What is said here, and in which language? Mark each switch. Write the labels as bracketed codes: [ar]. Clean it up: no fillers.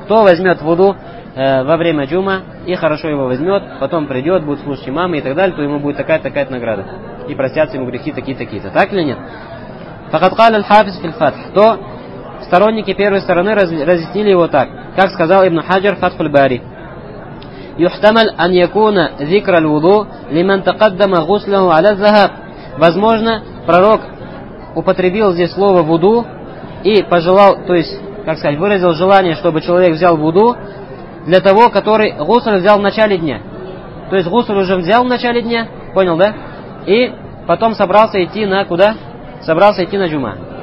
[ru] Кто возьмет вуду во время джума и хорошо его возьмет, потом придет, будет слушать имама и так далее, то ему будет такая-такая награда. И простятся ему грехи такие-такие-то. Так или нет? [ar] Факат каля аль-хафиз фи аль-фатх. [ru] То сторонники первой стороны разъяснили его так, как сказал Ибн Хаджар Фатх аль-Бари. [ar] يحتمل أن يكون ذكر الوضوء لمن تقدم غسله على الذهاب. [ru] Возможно, пророк употребил здесь слово вуду и пожелал, то есть, как сказать, выразил желание, чтобы человек взял вуду для того, который гусль взял в начале дня. То есть гусль уже взял в начале дня, понял, да? И потом собрался идти на куда? Собрался идти на джума.